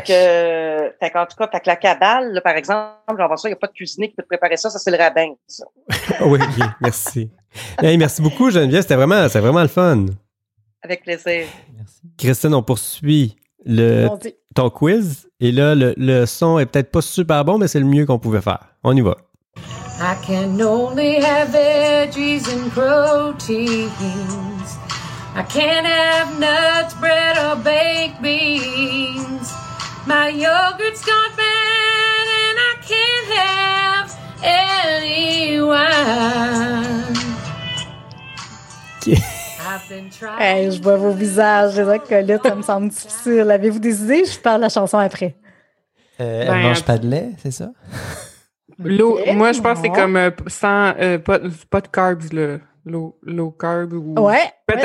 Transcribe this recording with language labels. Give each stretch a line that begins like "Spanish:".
French: Fait que, en tout cas, fait que la cabale, là, par exemple, genre ça, il n'y a pas de cuisinier qui peut te préparer ça, ça c'est le rabbin. Oui, okay, merci. Hey, merci beaucoup, Geneviève. C'était vraiment le fun. Avec plaisir. Merci. Christine, on poursuit ton quiz. Et là, le son est peut-être pas super bon, mais c'est le mieux qu'on pouvait faire. On y va.
English: I can only have veggies and proteins. I can't have nuts, bread, or baked beans. My yogurt's gone bad, and I can't have any wine.
French: Hey, je vois vos visages, les acolytes, ça me semble difficile. Avez-vous des idées? Je parle la chanson après. Elle ne mange pas de lait, c'est ça? L'eau, moi, je pense que c'est comme sans pas de carbs, là.
English: Low carb ou
French: ouais, peut-être